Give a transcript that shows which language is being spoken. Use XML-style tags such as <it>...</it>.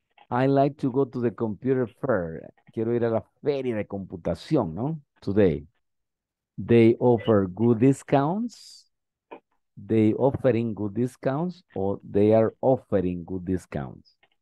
<en>I like to go to the computer fair.</en> <es>Quiero ir a la feria de computación, ¿no?</es> <en>Today. They offer good discounts. They offering good discounts or they are offering good discounts.</en>